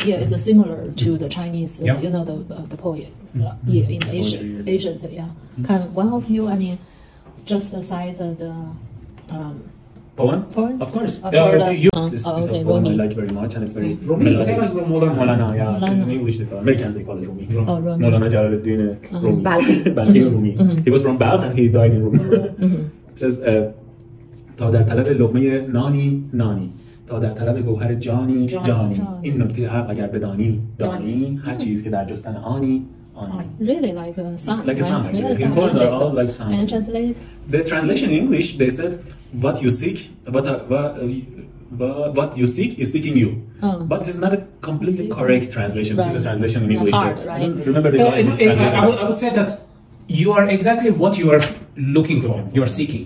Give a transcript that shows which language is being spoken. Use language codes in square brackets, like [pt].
[en] Yeah, it's similar to the Chinese, you know, the poet in Asia, Asian, Can one of you, I mean, just cite the poem? Poem? Of course. Yeah, the, you use this piece of poem I like very much, and it's very Rumi. It's the same as Molana. Molana, yeah. In English, the Americans, they call it Rumi. Rumi. Molana Jalaluddin Rumi. Balkh. Balkh Rumi. He was from Balkh, and he died in Rumi. It says, [fa] تا در طلب لقمه نانی نانی تا در طلب گوهر جانی جانی این نکته عقل اگر بدانی دانی هر چیز که در جستن آنی آنی [en] really like a song like a song can you translate the translation in English they said what you seek what you seek is seeking you but it's not a completely correct translation this is a translation in English remember the guy I would say that you are exactly what you are looking for, you are seeking.